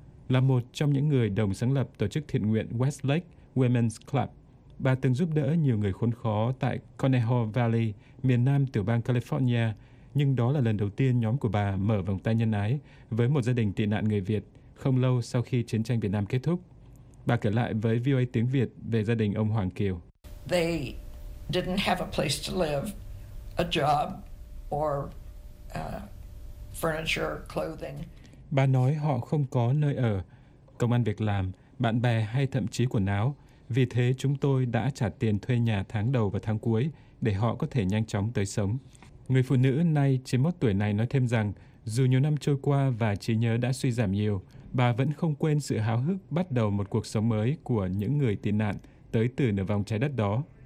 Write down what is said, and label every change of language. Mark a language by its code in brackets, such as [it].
[vi] Là một trong những người đồng sáng lập tổ chức thiện nguyện Westlake Women's Club, bà từng giúp đỡ nhiều người khốn khó tại Conejo Valley, miền nam tiểu bang California, nhưng đó là lần đầu tiên nhóm của bà mở vòng tay nhân ái với một gia đình tị nạn người Việt không lâu sau khi chiến tranh Việt Nam kết thúc. Bà kể lại với VOA tiếng Việt về gia đình ông Hoàng Kiều. [en] They didn't have a place to live, a job, or furniture, clothing. [vi] Bà nói họ không có nơi ở, công ăn việc làm, bạn bè hay thậm chí quần áo. Vì thế chúng tôi đã trả tiền thuê nhà tháng đầu và tháng cuối để họ có thể nhanh chóng tới sống. Người phụ nữ nay 91 tuổi này nói thêm rằng dù nhiều năm trôi qua và trí nhớ đã suy giảm nhiều, bà vẫn không quên sự háo hức bắt đầu một cuộc sống mới của những người tị nạn tới từ nửa vòng trái đất đó.